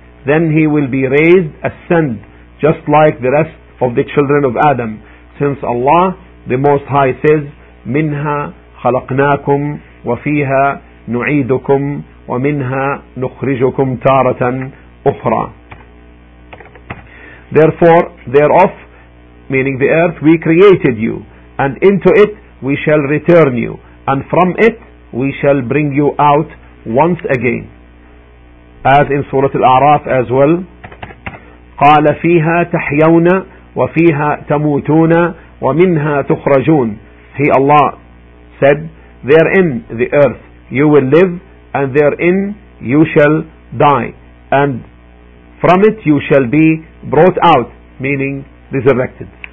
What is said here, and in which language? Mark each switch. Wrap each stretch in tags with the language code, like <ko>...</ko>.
<en>Then he will be raised, ascend, just like the rest of the children of Adam, since Allah the Most High says,</en> <ar>مِنْهَا خَلَقْنَاكُمْ وَفِيهَا نُعِيدُكُمْ وَمِنْهَا نُخْرِجُكُمْ تَارَةً أُخْرَى.</ar> <en>Therefore, thereof, meaning the earth, we created you, and into it we shall return you, and from it we shall bring you out once again. As in Surah Al-A'raf as well,</en> <ar>قَالَ فِيهَا تَحْيَوْنَ وَفِيهَا تَمُوتُونَ وَمِنْهَا تُخْرَجُونَ.</ar> <en>He, Allah, said, therein the earth you will live, and therein you shall die, and from it you shall be brought out, meaning resurrected.</en>